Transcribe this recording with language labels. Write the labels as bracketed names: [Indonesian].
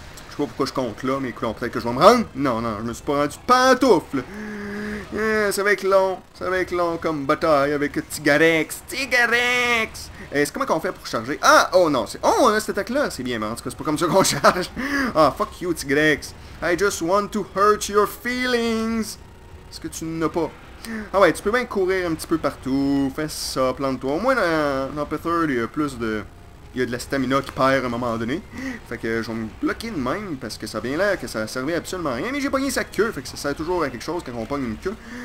[French] Je sais pas pourquoi je compte là, mais écoutons, peut-être que je vais me rendre. Non, non, je me suis pas rendu pantoufle. Ça va être long, ça va être long comme bataille avec Tigarex, Tigarex. Est-ce comment qu'on fait pour charger? Ah, oh non, c'est... Oh, on a cette attaque-là, c'est bien, mais en tout cas, c'est pas comme ça qu'on charge. [English] Ah, fuck you, Tigrex. I just want to hurt your feelings. [French] Est-ce que tu n'as pas? Ah ouais, tu peux bien courir un petit peu partout, fais ça, plante-toi. Au moins, dans Pethard, il y a plus de... Il y a de la stamina qui perd à un moment donné. Fait que je vais me bloquer de même, parce que ça a bien l'air que ça a servi absolument à rien. Mais j'ai pogné sa queue, fait que ça sert toujours à quelque chose quand on pogne une queue.